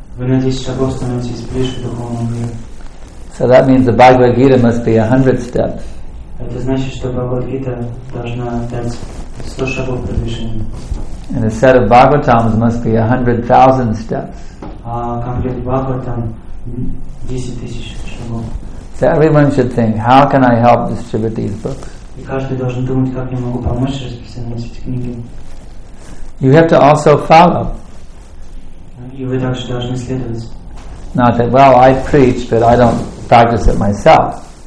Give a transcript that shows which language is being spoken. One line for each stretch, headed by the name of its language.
Russian: Вы на 10 шагов становитесь ближе к духовному миру.
English: So that means the Bhagavad Gita must be 100 steps.
Russian: Это значит, что Бхагавад Гита должна дать 100 шагов продвижения.
English: And a set of Bhagavatams must be 100,000 steps.
Russian: А комплект Бхагаватам 10,000 шагов.
English: So everyone should think, how can I help distribute these books?
Russian: И каждый должен думать, как я могу помочь распространять эти книги.
English: You have to also follow.
Russian: И вы также должны следовать.
English: Not that, well, I preach, but I don't practice it myself.